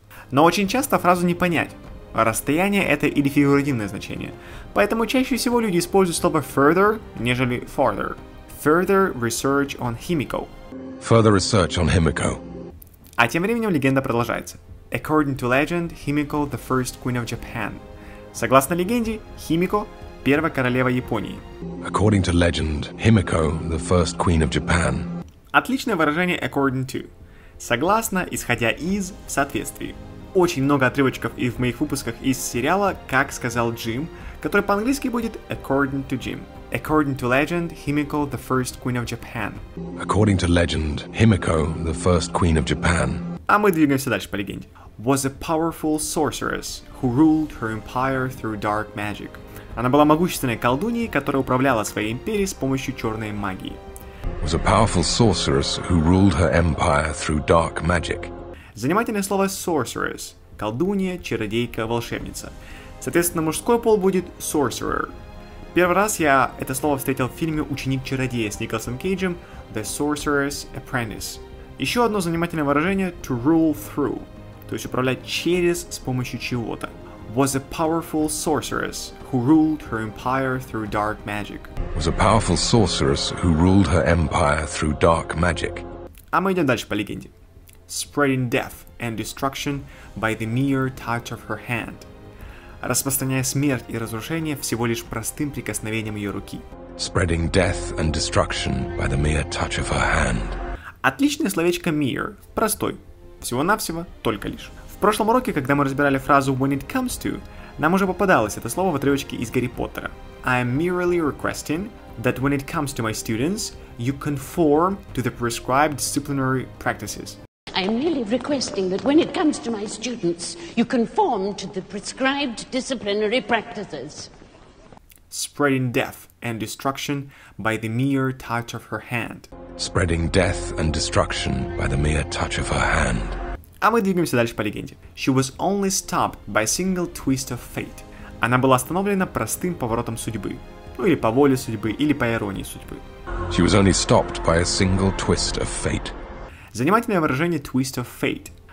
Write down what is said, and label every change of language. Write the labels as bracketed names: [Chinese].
[Russian] Но очень часто фразу не понять. Расстояние это или фигуративное значение. Поэтому чаще всего люди используют слово further, нежели farther. [English] Further research on Химико. Further research on Химико. [Russian] А тем временем легенда продолжается. [English] According to legend, Химико the first queen of Japan. [Russian] Согласно легенде, Химико первая королева Японии. [English] According to legend, Himiko, the first queen of Japan. [Russian] Отличное выражение according to. Согласно, исходя из, в соответствии. Очень много отрывочков и в моих выпусках из сериала «Как сказал Джим», который по-английски будет according to Jim. [English] According to legend, Himiko, the first queen of Japan. According to legend, Himiko, the first queen of Japan. [Russian] А мы двигаемся дальше по легенде. [English] Was a powerful sorceress who ruled her empire through dark magic. [Russian] Она была могущественной колдуньей, которая управляла своей империей с помощью черной магии. [English] Was a powerful sorceress who ruled her empire through dark magic. [Russian] Занимательное слово sorceress. Колдунья, чародейка, волшебница. Соответственно, мужской пол будет sorcerer. Первый раз я это слово встретил в фильме «Ученик чародея» с Николасом Кейджем «The Sorcerer's Apprentice». Еще одно занимательное выражение «to rule through», то есть управлять через с помощью чего-то. [English] Was a powerful sorceress who ruled her empire through dark magic. Was a powerful sorceress who ruled her empire through dark magic. [Russian] А мы идем дальше по легенде. [English] Spreading death and destruction by the mere touch of her hand. [Russian] Распространяя смерть и разрушение всего лишь простым прикосновением ее руки. [English] Spreading death and destruction by the mere touch of her hand. [Russian] Отличное словечко mere. Простой. Всего-навсего, только лишь. В прошлом уроке, когда мы разбирали фразу «when it comes to», нам уже попадалось это слово в отрывочке из Гарри Поттера. [English] I am merely requesting that when it comes to my students, you conform to the prescribed disciplinary practices. I am merely requesting that when it comes to my students, you conform to the prescribed disciplinary practices. Spreading death and destruction by the mere touch of her hand. Spreading death and destruction by the mere touch of her hand. [Russian] А мы двигаемся дальше по легенде. [English] She was only stopped by a single twist of fate. [Russian] Она была остановлена простым поворотом судьбы. Ну или по воле судьбы, или по иронии судьбы. [English] She was only stopped by a single twist of fate. [Russian] Занимательное выражение «twist of fate».